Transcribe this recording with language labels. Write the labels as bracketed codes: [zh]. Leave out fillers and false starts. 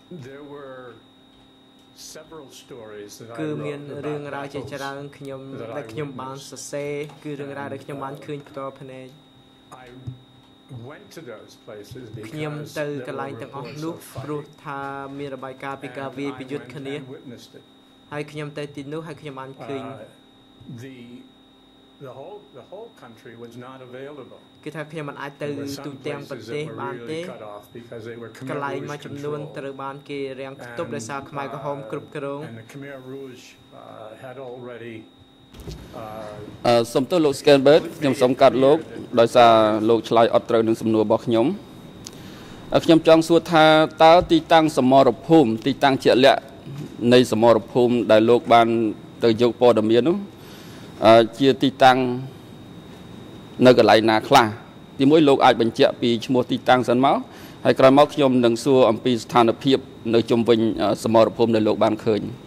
[en] There were several stories that I [km] គឺ មាន រឿង រ៉ាវ ជា ច្រើន ខ្ញុំ ដែល ខ្ញុំ បាន សរសេរ គឺ រឿង រ៉ាវ ដែល ខ្ញុំ បាន ឃើញ ផ្ទាល់ ភ្នែក [en] went to those places because [km] ខ្ញុំ ទៅ កន្លែង ទាំង អស់ នោះ ព្រោះ ថា មាន របាយការណ៍ ពី ការ វាយ ប្រយុទ្ធ គ្នា ហើយ ខ្ញុំ ទៅ ទី នោះ ហើយ ខ្ញុំ បាន ឃើញ [en] the whole country was not available [km] គឺ ថា ខ្ញុំ មិន អាច ទៅ ទូទាំង ប្រទេស បាន ទេ កន្លែង មួយ ចំនួន ត្រូវ បាន គេ រាំង ខ្ទប់ ដោយ សារ ខ្មែរ ក្រហម គ្រប់ គ្រង [en] and the Khmer Rouge had already [km] សូមទោសលោក Scanbert ខ្ញុំ សូម កាត់ លោក ដោយ សារ លោក ឆ្លើយ អត់ ត្រូវ នឹង សំណួរ របស់ ខ្ញុំ ខ្ញុំ ចង់ សួរ ថា តើ ទី តាំង សមរភូមិ ទី តាំង ជាក់លាក់ នៃ សមរភូមិ ដែល លោក បាន ទៅ យក ព័ត៌មាន នោះ ជា ទី តាំង នៅ កន្លែង ណា ខ្លះ ទី 1 លោក អាច បញ្ជាក់ ពី ឈ្មោះ ទី តាំង សិន មក ហើយ ក្រោយ មក ខ្ញុំ នឹង សួរ អំពី ស្ថានភាព នៅ ជុំ វិញ សមរភូមិ ដែល លោក បាន ឃើញ